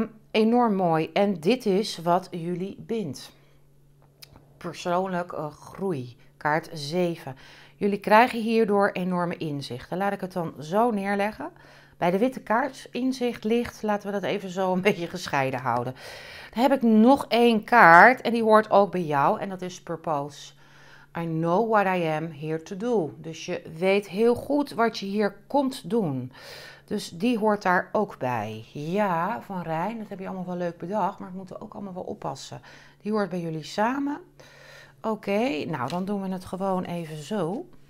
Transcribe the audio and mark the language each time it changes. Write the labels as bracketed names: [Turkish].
[Dutch] Enorm mooi. En dit is wat jullie bindt. Persoonlijk groei. Kaart 7. Jullie krijgen hierdoor enorme inzichten. Laat ik het dan zo neerleggen. Bij de witte kaart inzicht ligt. Laten we dat even zo een beetje gescheiden houden. Dan heb ik nog één kaart. En die hoort ook bij jou. En dat is purpose. [English] I know what I am here to do. [Dutch] Dus je weet heel goed wat je hier komt doen. Dus die hoort daar ook bij. Ja, van RIJN. Dat heb je allemaal wel leuk bedacht. Maar we moeten ook allemaal wel oppassen. Die hoort bij jullie samen. Oké, nou dan doen we het gewoon even zo.